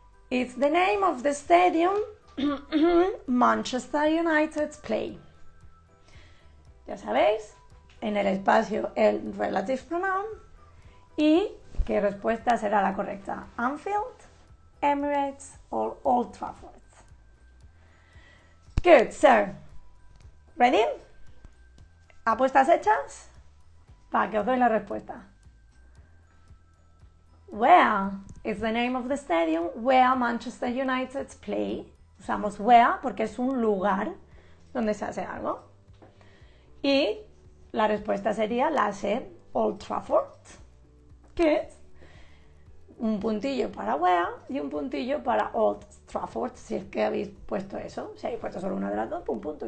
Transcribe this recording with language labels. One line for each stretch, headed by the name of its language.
English: It's the name of the stadium Manchester United's play.
Spanish: Ya sabéis, en el espacio el relative pronoun. ¿Y qué respuesta será la correcta? Anfield, Emirates o Old Trafford.
English: Good, so, ready?
Spanish: ¿Apuestas hechas? Para que os doy la respuesta.
English: Where is the name of the stadium where Manchester United play?
Spanish: Usamos where porque es un lugar donde se hace algo. Y la respuesta sería la C, Old Trafford. ¿Qué es? Un puntillo para where y un puntillo para Old Trafford. Si es que habéis puesto eso, si habéis puesto solo una de las dos, un punto.